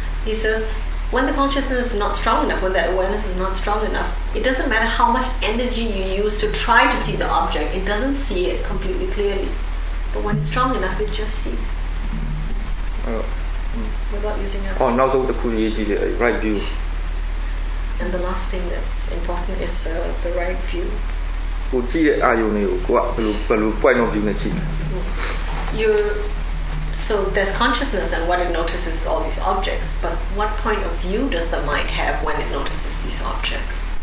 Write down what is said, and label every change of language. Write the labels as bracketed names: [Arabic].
[English] He says, when the consciousness is not strong enough, when that awareness is not strong enough, it doesn't matter how much energy you use to try to see the object, it doesn't see it completely clearly. But when it's strong enough, it just sees. Without using your mind. Oh, now to the Kuni Yeji, the right view. And the last thing that's important is the right view. [Burmese] ကိုကြည့်တဲ့အာယုံလေးကိုကဘယ်လို [English] point of view [Burmese] နဲ့ကြည့်လဲ [English] You so there's consciousness and what it notices all these objects but what point of view does the mind have when it notices these objects